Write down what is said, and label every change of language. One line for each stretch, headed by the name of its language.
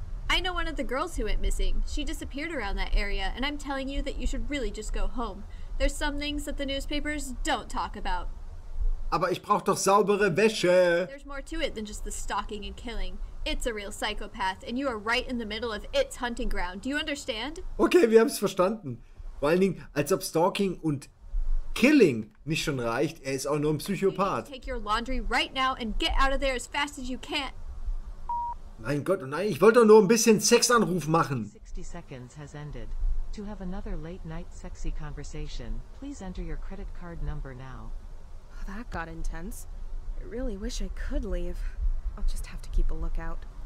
English: I know one of the girls who went missing. She disappeared around that area, and I'm telling you that you should really just go home. There's some things that the newspapers don't talk about.
German: Aber ich brauch doch saubere Wäsche.
English: There's more to it than just the stalking and killing. It's a real psychopath, and you are right in the middle of its hunting ground. Do you understand?
German: Okay, wir haben's verstanden. Vor allen Dingen, als ob Stalking und Killing nicht schon reicht, er ist auch nur ein Psychopath.
English: You need to take your laundry right now and get out of there as fast as you can.
German: Mein Gott, nein, ich wollte doch nur ein bisschen Sexanruf machen.
English: 60 seconds has ended. To have another late night sexy conversation, please enter your credit card number now. Oh, that got intense. I really wish I could leave. I'll just have to keep a lookout.